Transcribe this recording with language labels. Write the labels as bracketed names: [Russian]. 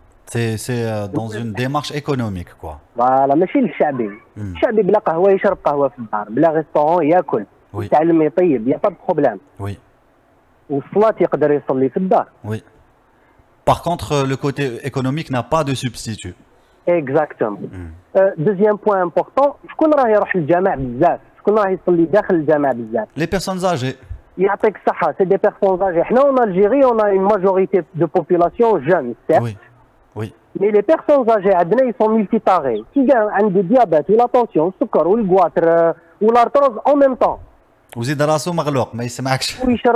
[French] C'est dans une démarche économique, quoi. Voilà. Mais c'est le chabib. [Arabic] Chabib, la kahwa, il shrab kahwa fi dar. [French] Le restaurant, [Arabic] il yakoul. [French] Oui. Il t'aime et payé. Il n'y a pas de problème. Oui. Ou soit il peut rester [Arabic] fi dar. [French] Oui. Par contre, le côté économique n'a pas de substitut. Exactement. [Arabic] Deuxième point important, شكون راه يروح للجامع بزاف شكون راه يصلي داخل الجامع بزاف [French] Les personnes âgées. [Arabic] يعطيك الصحه, [French] c'est des personnes âgées. Nous, en Algérie, on a une majorité de population jeune, certes. Oui. Oui. Mais les personnes âgées, عندنا ils sont multitarés. Qui a un diabète, ou la tension, le sucre, ou le goitre, ou l'arthrose en même temps. Vous êtes dans la maghloq, mais il ne